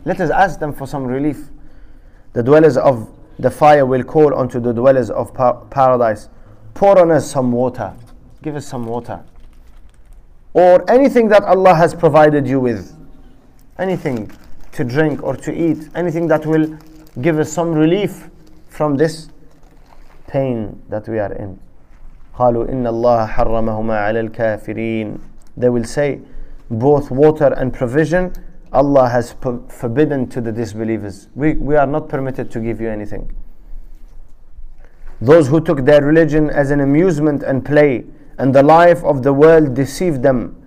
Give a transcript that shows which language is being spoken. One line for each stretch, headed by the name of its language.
English: Let us ask them for some relief. The dwellers of the fire will call unto the dwellers of paradise, pour on us some water. Give us some water. Or anything that Allah has provided you with. Anything to drink or to eat. Anything that will give us some relief from this pain that we are in.
Arabic: قالوا إن الله حرمهما على الكافرين.
English: They will say, both water and provision, Allah has forbidden to the disbelievers. We are not permitted to give you anything. Those who took their religion as an amusement and play, and the life of the world deceived them.